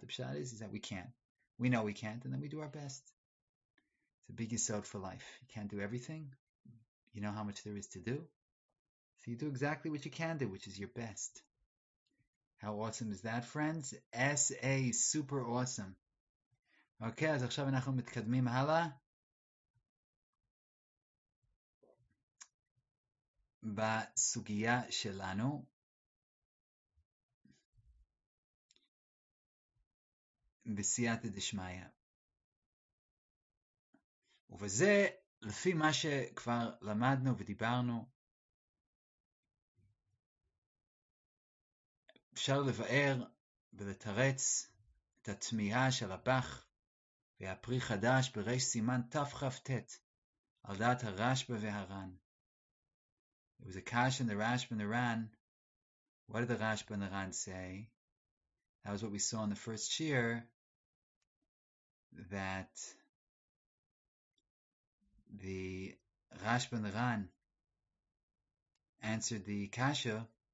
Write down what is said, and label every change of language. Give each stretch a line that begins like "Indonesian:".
English: The pshat is that we can't. We know we can't, and then we do our best. It's a big yisod for life. You can't do everything. You know how much there is to do. So you do exactly what you can do, which is your best. How awesome is that, friends? S.A. Super awesome.
Hebrew: Okay, אז עכשיו אנחנו מתקדמים הלאה. בסוגיה שלנו. בסייעתא דשמיא. ובזה, לפי מה שכבר למדנו ודיברנו, אפשר לבאר ולתרץ את התמיהה של הבח והפרי חדש בריש סימן תכ"ט על דעת הרשב"א והר"ן.
English: It was a cash in the Rashba and the Ran. What did the Rashba and the Ran say? That was what we saw in the first shiur. That the Rashba and the Ran answered the Kasha.